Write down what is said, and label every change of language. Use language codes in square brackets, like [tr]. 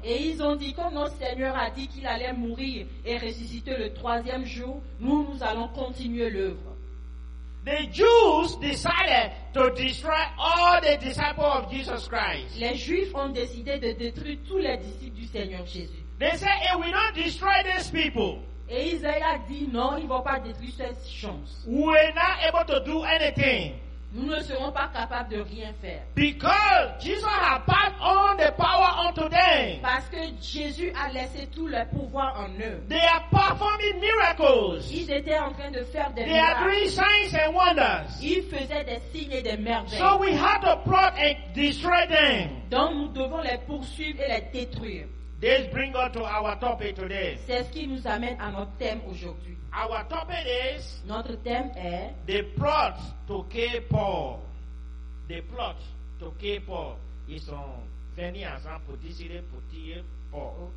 [fr] Et ils ont dit, comme notre Seigneur a dit qu'il allait mourir et ressusciter le troisième jour, nous allons continuer l'œuvre. [en] The Jews decided to destroy all the disciples of Jesus Christ. [fr] Les Juifs ont décidé de détruire tous les disciples du Seigneur Jésus. [en] They said, hey, we don't destroy these people. [fr] Et Isaïe a dit, non, ils ne vont pas détruire ces gens. [en] We're not able to do anything. [fr] Nous ne serons pas capables de rien faire. [en] Because Jesus has passed on the power unto them. [fr] Parce que Jésus a laissé tout le pouvoir en eux. [en] They are performing miracles. [fr] Ils étaient en train de faire des [en] they [fr] miracles. [en] They are doing signs and wonders. [fr] Ils faisaient des signes et des merveilles. [en] So we have to plot and destroy them. [fr] Donc nous devons les poursuivre et les détruire. [en] This brings us to our topic today. [fr] C'est ce qui nous amène à notre thème aujourd'hui. [en] Our topic is [fr] notre thème est [en] the plot to kill Paul. The plot to kill Paul. [fr] Ils ont venu ensemble pour décider pour tuer Paul.